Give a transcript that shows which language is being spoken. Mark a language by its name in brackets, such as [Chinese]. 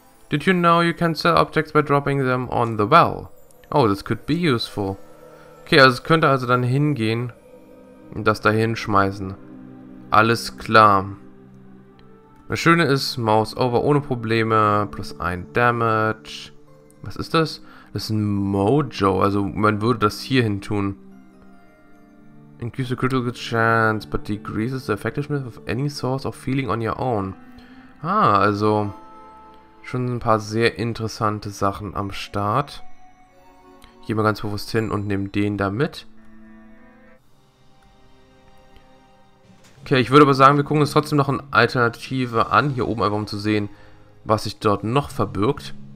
[English] Did you know you can sell objects by dropping them on the well? Oh, this could be useful. [German] Okay, also es könnte also dann hingehen und das da hinschmeißen. Alles klar. Das Schöne ist, Mouse over ohne Probleme. Plus 1 Damage. Was ist das? Das ist ein Mojo. Also man würde das hier hin tun. [English] Increase the critical chance, but decreases the effectiveness of any source of feeling on your own. [German] Ah, also schon ein paar sehr interessante Sachen am Start. Ich gehe mal ganz bewusst hin und nehme den da mit. Okay, ich würde aber sagen, wir gucken uns trotzdem noch eine Alternative an. Hier oben einfach, um zu sehen, was sich dort noch verbirgt.